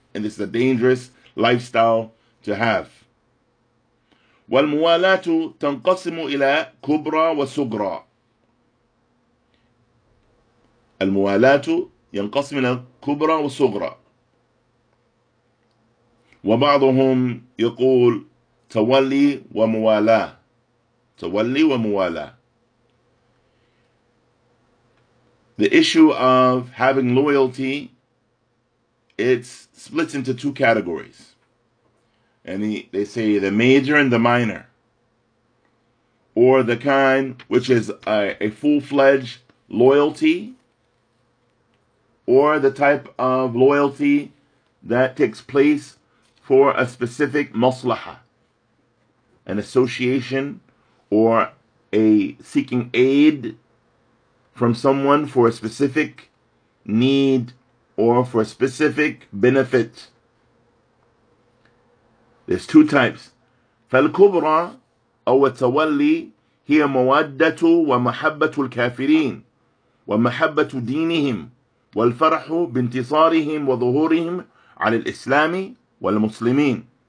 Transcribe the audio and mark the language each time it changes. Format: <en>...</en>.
<en>and it's a dangerous lifestyle to have.</en> <ar>والموالاه تنقسم الى كبرى وصغرى. الموالاه ينقسم الى كبرى وصغرى. وبعضهم يقول تولي وموالاه. تولي وموالاه.</ar> <en>The issue of having loyalty, it's split into two categories. And they say the major and the minor. Or the kind which is a full-fledged loyalty. Or the type of loyalty that takes place for a specific maslaha, an association, or a seeking aid from someone for a specific need or for a specific benefit. There's two types.</en> <ar>فالكبرى أو التولي هي مودة ومحبة الكافرين ومحبة دينهم والفرح بانتصارهم وظهورهم على الإسلام والمسلمين.</ar>